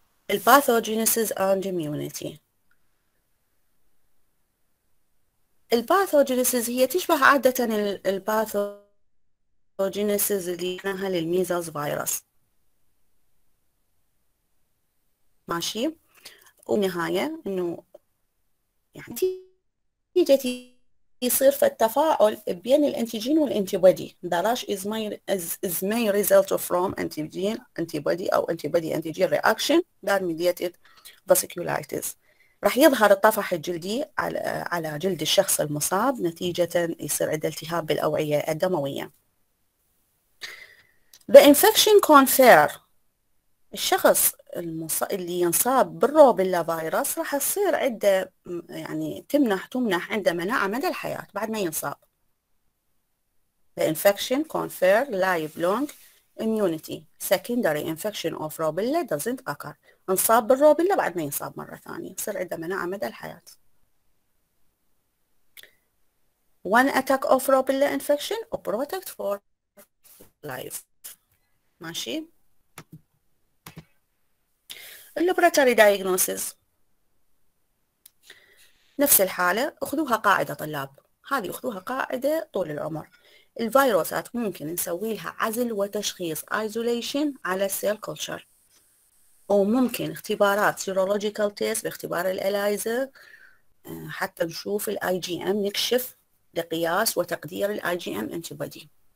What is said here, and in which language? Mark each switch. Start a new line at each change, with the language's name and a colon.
Arabic: الباثوجينيسيس اند اميونيتي، الباثوجينيسيس هي تشبه عادة الباثوجينيسيس اللي معناها للميزوز فيروس، ماشي؟ ونهاية انه يعني نتيجة يصير في التفاعل بين الانتيجين والانتيبادي.
English: The rash is may result from antigen antibody or antibody antigen reaction that mediated vasculitis.
Arabic: راح يظهر الطفح الجلدي على جلد الشخص المصاب، نتيجة يصير عنده التهاب بالأوعية الدموية.
English: The infection confer
Arabic: الشخص اللي ينصاب بالروبيلا فيروس راح تصير عنده يعني تمنح عنده مناعة مدى الحياة بعد ما ينصاب.
English: The infection confer lifelong immunity. Secondary infection of rubella doesn't occur.
Arabic: انصاب بالروبيلا بعد ما ينصاب مرة ثانية يصير عنده مناعة مدى الحياة.
English: One attack of rubella infection or protect for life.
Arabic: ماشي؟ اللابوراتوري دايجنوسيس نفس الحالة، أخذوها قاعدة طلاب، هذه أخذوها قاعدة طول العمر. الفيروسات ممكن نسوي لها عزل وتشخيص isolation على السيل كولتشر، أو ممكن اختبارات سيرولوجيكال تيست باختبار الإلايزا حتى نشوف الاي جي ام، نكشف لقياس وتقدير الاي جي ام انتيبادي.